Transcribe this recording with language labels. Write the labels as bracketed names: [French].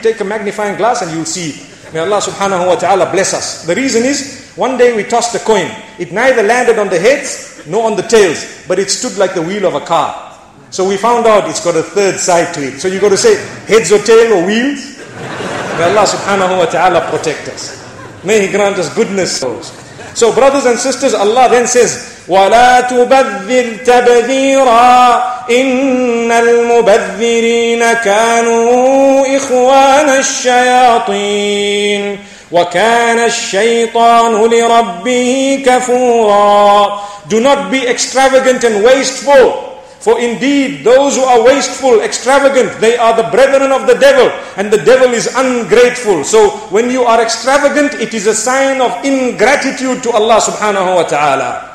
[English] Take a magnifying glass and you'll see. May Allah subhanahu wa ta'ala bless us. The reason is, one day we tossed a coin. It neither landed on the heads nor on the tails, but it stood like the wheel of a car. So we found out it's got a third side to it. So you got to say heads or tail or wheels. May Allah subhanahu wa ta'ala protect us. May He grant us goodness. So brothers and sisters, Allah then says, [Arabic] وَلَا تُبَذِّرْ تَبَذِيرًا إِنَّ الْمُبَذِّرِينَ كَانُوا إِخْوَانَ الشَّيَاطِينَ وَكَانَ الشَّيْطَانُ لِرَبِّهِ كَفُورًا. [English] Do not be extravagant and wasteful. For indeed, those who are wasteful, extravagant, they are the brethren of the devil. And the devil is ungrateful. So when you are extravagant, it is a sign of ingratitude to Allah subhanahu wa ta'ala.